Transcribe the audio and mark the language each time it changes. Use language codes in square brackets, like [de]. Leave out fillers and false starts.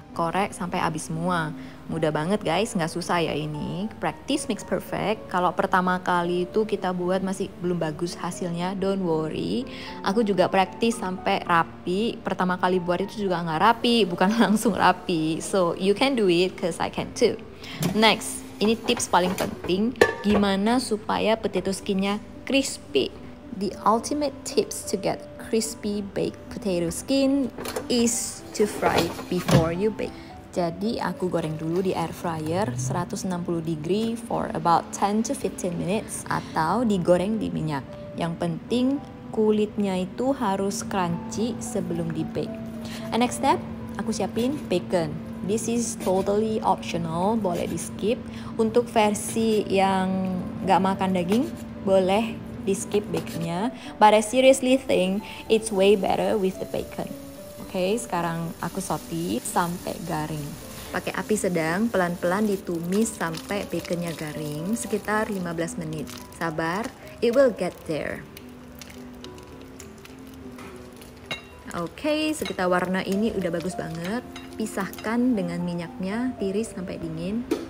[id] Korek sampai habis semua. Mudah banget guys, nggak susah ya ini. [en] Practice makes perfect. [id] Kalau pertama kali itu kita buat masih belum bagus hasilnya, [en] don't worry. [id] Aku juga practice sampai rapi. Pertama kali buat itu juga nggak rapi, bukan langsung rapi. [en] So you can do it, cause I can too. Next, [id] ini tips paling penting. Gimana supaya potato skinnya crispy? [en] The ultimate tips to get crispy baked potato skin is to fry before you bake. [id] Jadi aku goreng dulu di air fryer [en] 160 degree for about 10 to 15 minutes [id] atau digoreng di minyak. Yang penting kulitnya itu harus crunchy sebelum di bake. [en] And next step, [id] aku siapin [en] bacon. This is totally optional, [id] boleh di skip. Untuk versi yang gak makan daging, boleh di skip baconnya. [en] But I seriously think it's way better with the bacon. [id] Okay, sekarang aku soti sampai garing. Pakai api sedang, pelan-pelan ditumis sampai baconnya garing, sekitar 15 menit. Sabar, [en] it will get there. [id] Okay, sekitar warna ini udah bagus banget. Pisahkan dengan minyaknya, tiris sampai dingin.